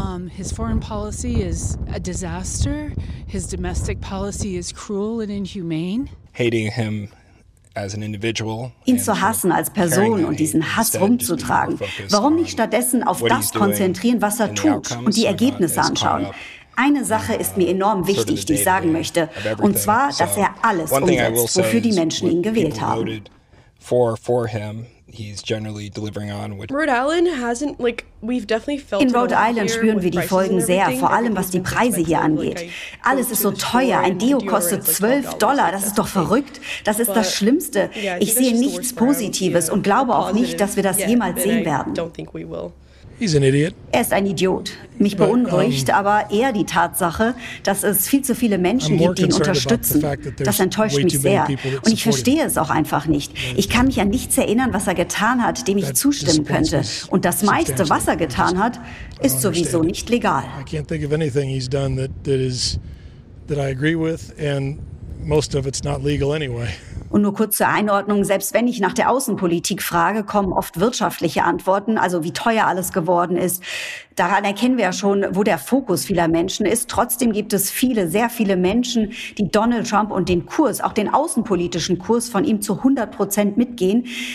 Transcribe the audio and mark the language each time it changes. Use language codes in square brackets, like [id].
[en] His foreign policy is a disaster. His domestic policy is cruel and inhumane. Hating him as an individual. [de] Ihn zu hassen als Person und diesen Hass rumzutragen. Warum nicht stattdessen auf das konzentrieren, was er tut und die Ergebnisse anschauen? Eine Sache ist mir enorm wichtig, die ich sagen möchte, und zwar, dass er alles umsetzt, wofür die Menschen ihn gewählt haben. [en] For him, he's generally delivering on. Which Rhode Island hasn't, like, we've definitely felt [de] in Rhode Island spüren wir die Folgen sehr, vor allem was die Preise hier angeht. Alles ist so teuer, ein Deo kostet $12, das ist doch verrückt. Das ist das Schlimmste. Ich sehe nichts Positives und glaube auch nicht, dass wir das jemals sehen werden. [en] He's an idiot. [de] Er ist ein Idiot. Mich beunruhigt aber eher die Tatsache, dass es viel zu viele Menschen gibt, die ihn unterstützen. Das enttäuscht mich sehr. Und ich verstehe es auch einfach nicht. Ich kann mich an nichts erinnern, was er getan hat, dem ich zustimmen könnte. Und das meiste, was er getan hat, ist sowieso nicht legal. [en] I can't think of anything he's done that I agree with, and most of it's not legal anyway. [de] Und nur kurz zur Einordnung, selbst wenn ich nach der Außenpolitik frage, kommen oft wirtschaftliche Antworten, also wie teuer alles geworden ist. Daran erkennen wir ja schon, wo der Fokus vieler Menschen ist. Trotzdem gibt es viele, sehr viele Menschen, die Donald Trump und den Kurs, auch den außenpolitischen Kurs von ihm zu 100% mitgehen.